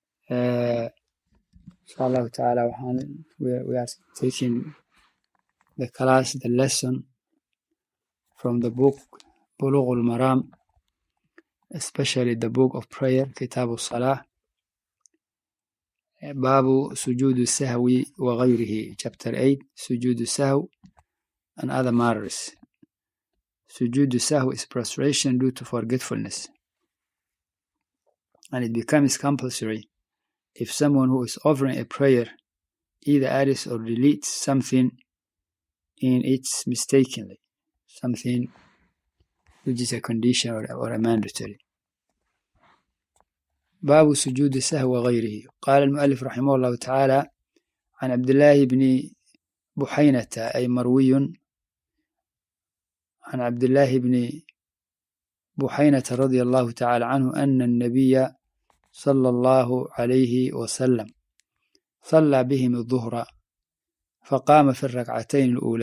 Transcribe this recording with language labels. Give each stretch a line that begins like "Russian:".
Arabic: إن شاء الله تعالى
English: we are teaching the class, the lesson from the book بلوغ المرام, especially the book of prayer كتاب الصلاة, باب سجود السهو وغيره, chapter 8, سجود السهو and other matters. Sujood sahw is prostration due to forgetfulness, and it becomes compulsory if someone who is offering a prayer either adds or deletes something in it mistakenly, something which is a condition or a mandatory.
Arabic: باب سجود السهو وغيره. قال المؤلف رحمه الله تعالى عن عبد الله بن بحينة, أي مروي عن عبد الله بن بحينة رضي الله تعالى عنه أن النبي صلى الله عليه وسلم صلى بهم الظهر فقام في الركعتين